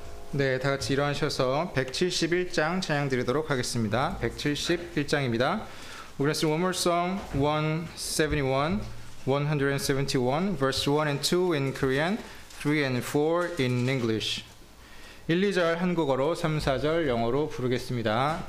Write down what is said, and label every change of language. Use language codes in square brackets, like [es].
[ko] 네, 다 같이 일어나셔서 171장 찬양 드리도록 하겠습니다. 171장입니다. [en] We're going to sing one more song, 171 verse 1 and 2 in Korean, 3 and 4 in English. [ko] 1, 2절 한국어로, 3, 4절 영어로 부르겠습니다.